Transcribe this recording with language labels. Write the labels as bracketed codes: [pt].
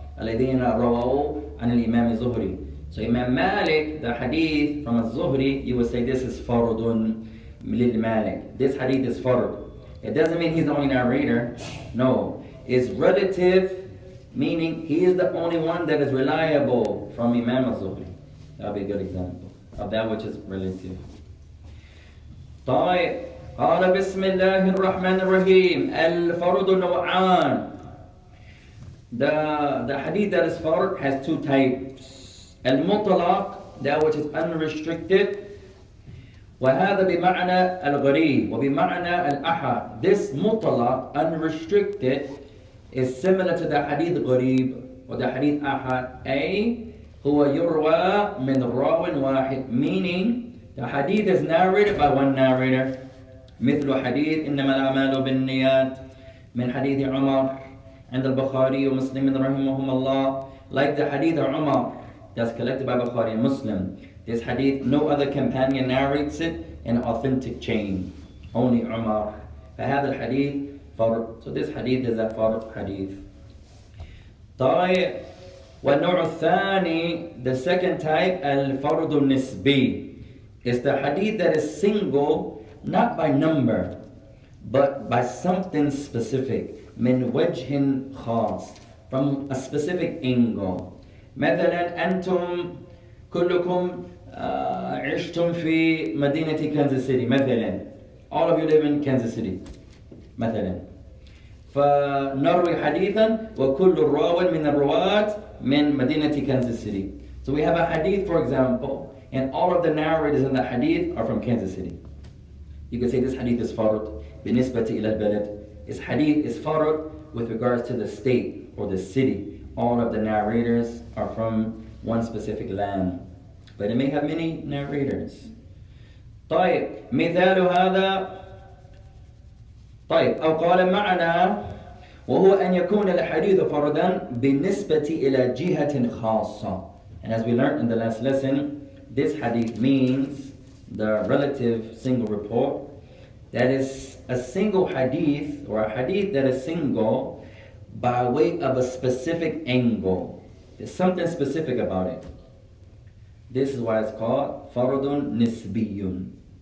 [en] Al-Adina Rawa'u and Imam Zuhri. So Imam Malik, the hadith from Al-Zuhri, you would say this is Farudun Lil Malik. This hadith is Farud. It doesn't mean he's the only narrator. No. It's relative, meaning he is the only one that is reliable from Imam Al-Zuhri. That would be a good example of that which is relative. [ar] طيب قال بسم الله الرحمن الرحيم الفرد نوعان. [en] The hadith that is fard has two types. المطلق, that which is unrestricted. [ar] وهذا بمعنى الغريب وبمعنى الأحد. [en] This مطلق, unrestricted, is similar to the hadith غريب or the hadith أحد. A [ar] هو يروى من راو واحد, [en] meaning the hadith is narrated by one narrator. [ar] مثل حديث إنما الأعمال بالنيات من حديث عمر عند البخاري ومسلم رحمهم الله. [en] Like the hadith of عمر that's collected by Bukhari and Muslim. This hadith, no other companion narrates it in authentic chain. Only عمر. [ar] فهذا الحديث فرد. [en] So this hadith is a فرد hadith. [ar] طيب والنوع الثاني, [en] the second type, [ar] الفرد النسبي. [en] It's the hadith that is single, not by number, but by something specific. [ar] من وجه خاص, [en] from a specific angle. [ar] مثلاً أنتم كلكم عشتم في مدينة كنزا سيتي. [en] مثلاً, all of you live in Kansas City. [ar] مثلاً, فنروي حديثاً وكل الرواة من الرواة من مدينة كنزا سيتي. [en] So we have a hadith, for example, and all of the narrators in the hadith are from Kansas City. You can say this hadith is farud [ar] بالنسبة إلى البلد. [en] This hadith is farud with regards to the state or the city. All of the narrators are from one specific land. But it may have many narrators. [ar] طيب مثال هذا طيب أو قال معنا وهو أن يكون الحديث فردا بالنسبة إلى جهة خاصة. [en] And as we learned in the last lesson, this hadith means the relative single report. That is a single hadith or a hadith that is single by way of a specific angle. There's something specific about it. This is why it's called فَرُدٌ نِسْبِيٌ.